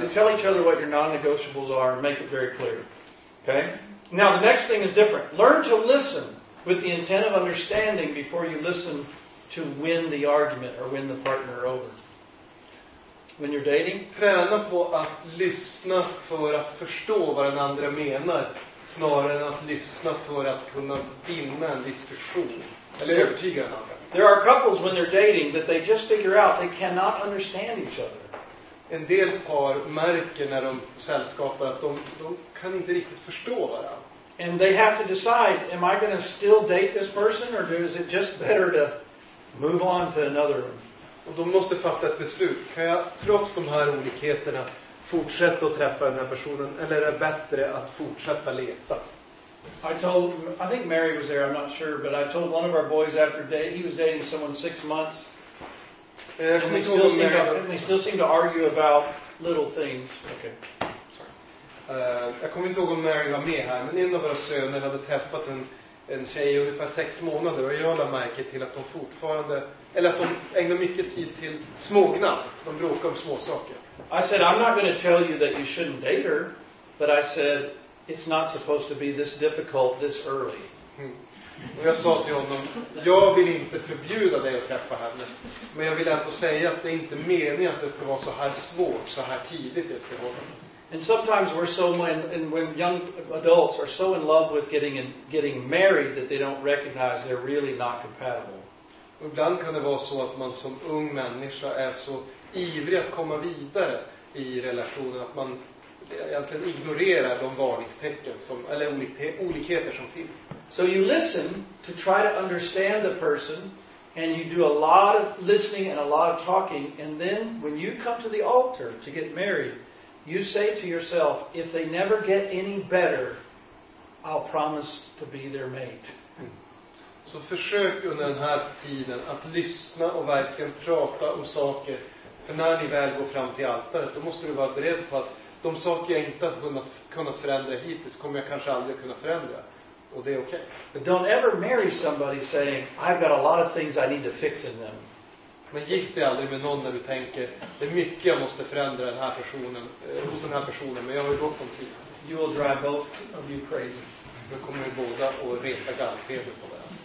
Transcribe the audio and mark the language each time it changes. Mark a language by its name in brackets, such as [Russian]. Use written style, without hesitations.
[English] You tell each other what your non-negotiables are and make it very clear. Okay? Now, the next thing is different. Learn to listen with the intent of understanding before you listen to win the argument or win the partner over. When you're dating? [Swedish] Träna på att lyssna för att förstå vad den andra menar snarare än att lyssna för att kunna vinna en diskussion. Eller övertyga den andra. [English] There are couples when they're dating that they just figure out they cannot understand each other. [Swedish] En del par märker när de sällskapar att de kan inte riktigt förstå varandra. [English] And they have to decide, am I going to still date this person or is it just better to move on to another? [Swedish] Och de måste fatta ett beslut. Kan jag trots de här olikheterna fortsätta att träffa den här personen eller är det bättre att fortsätta leta? [English] I think Mary was there, I'm not sure, but I told one of our boys after he was dating someone 6 months. And they still seem to argue about little things. Okay. [Swedish] Jag kommer inte ihåg om Mary var med här, men en av våra söner hade träffat en tjej ungefär 6 månader och jag lade märke till att de fortfarande eller att de ägnar mycket tid till smågnad. De bråkar om småsaker. [English] I said I'm not going to tell you that you shouldn't date her, but I said it's not supposed to be this difficult this early. [Swedish] Och jag sa till honom, jag vill inte förbjuda dig att träffa henne, men jag vill ändå säga att det inte är meningen att det ska vara så här svårt så här tidigt i ett förhållande. [English] And sometimes we're so and when young adults are so in love with getting married that they don't recognize they're really not compatible. [Swedish] Ibland kan det vara så att man som ung människa är så ivrig att komma vidare i relationen att man egentligen ignorerar de varningstecken som eller olikheter som finns. [English] So you listen to try to understand the person and you do a lot of listening and a lot of talking and then when you come to the altar to get married you say to yourself, if they never get any better, I'll promise to be their mate. [Swedish] Så försök under den här tiden att lyssna och verkligen prata om saker. För när ni väl går fram till altaret, då måste du vara beredd på att de saker jag inte har kunnat förändra hittills kommer jag kanske aldrig kunna förändra. Och det är okej. [English] But don't ever marry somebody saying, I've got a lot of things I need to fix in them. [Swedish] Men gift dig aldrig med någon när du tänker det är mycket jag måste förändra den här personen hos den här personen, men jag har ju gått om tid. [English] You will drive both of you crazy. [Swedish] Då kommer ju båda att reta gallfeber på det.